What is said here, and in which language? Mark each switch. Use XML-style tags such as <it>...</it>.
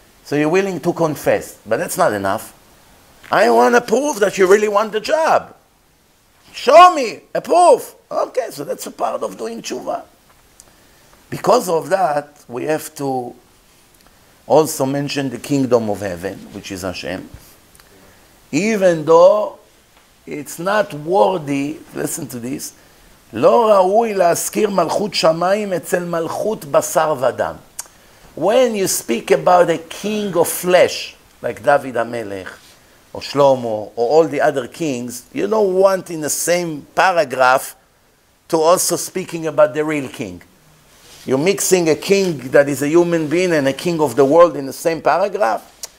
<en>So you're willing to confess. But that's not enough. I want to prove that you really want the job. Show me a proof. Okay, so that's a part of doing tshuva. Because of that, we have to also mention the kingdom of heaven, which is Hashem. Even though it's not worthy, listen to this,</en> <he>לא ראוי להזכיר מלכות שמיים אצל מלכות בשר ודם.</he> <en>When you speak about a king of flesh, like David המלך, or Shlomo, or all the other kings, you don't want in the same paragraph to also speaking about the real king. You're mixing a king that is a human being and a king of the world in the same paragraph.</en>